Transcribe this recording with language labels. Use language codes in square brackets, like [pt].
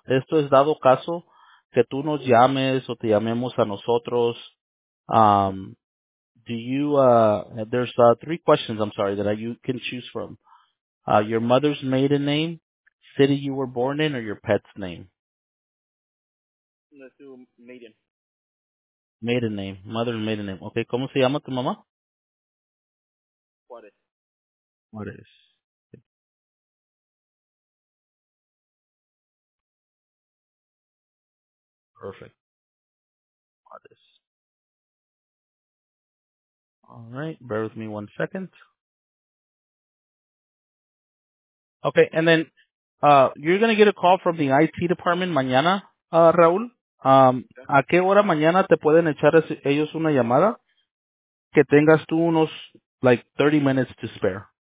[es] Esto es dado caso que tú nos llames o te llamemos a nosotros. [en] There's three questions, I'm sorry, that you can choose from. Your mother's maiden name, city you were born in, or your pet's name? Let's do maiden. Maiden name. Mother's maiden name. Okay, [es] ¿cómo se llama tu mamá? [en] Juárez. Juárez. Perfect. Juárez. All right, bear with me 1 second. Okay, and then you're going to get a call from the IT department mañana, Raúl. [es] ¿A qué hora mañana te pueden echar ellos una llamada? Que tengas tú unos, [en] like, 30 minutes to spare.